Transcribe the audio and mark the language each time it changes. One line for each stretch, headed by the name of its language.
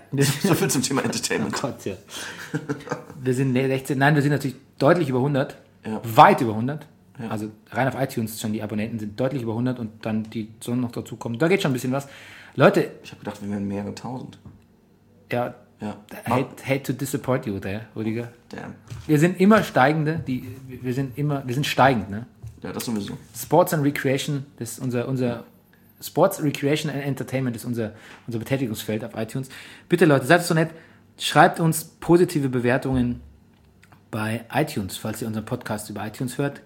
German: So viel zum Thema Entertainment. Oh Gott, ja. Wir sind 16, nein, wir sind natürlich deutlich über 100, weit über 100. Ja. Also rein auf iTunes schon, die Abonnenten sind deutlich über 100 und dann die Zonen noch dazukommen. Da geht schon ein bisschen was. Leute... Ich habe gedacht, wir wären mehrere tausend. Ja.
English: Hate to disappoint you there, Rüdiger. Damn.
German: Wir sind immer steigende, wir sind steigend, ne? Ja, das sowieso. Sports and Recreation, das ist unser Sports, Recreation and Entertainment ist unser Betätigungsfeld auf iTunes. Bitte Leute, seid so nett, schreibt uns positive Bewertungen bei iTunes, falls ihr unseren Podcast über iTunes hört.